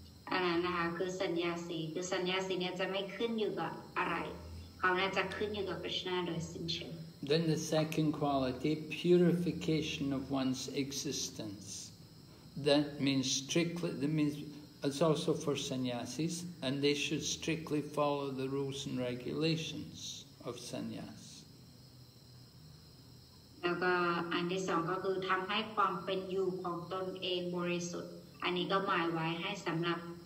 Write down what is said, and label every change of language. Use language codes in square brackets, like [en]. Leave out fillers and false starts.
[th] อันนั้นนะคะคือสัญญาสีคือสัญญาสีเนี่ยจะไม่ขึ้นอยู่กับอะไรเขาเนี่ยจะขึ้นอยู่กับ Krishna โดยสิ้นเชิง [en] Then the second quality purification of one's existence that means strictly that means it's also for sannyasis and they should strictly follow the rules and regulations of sannyas [th] แล้วก็อันที่สองก็คือทำให้ความเป็นอยู่ของตนเองบริสุทธิ์อันนี้ก็หมายไว้ให้สำหรับ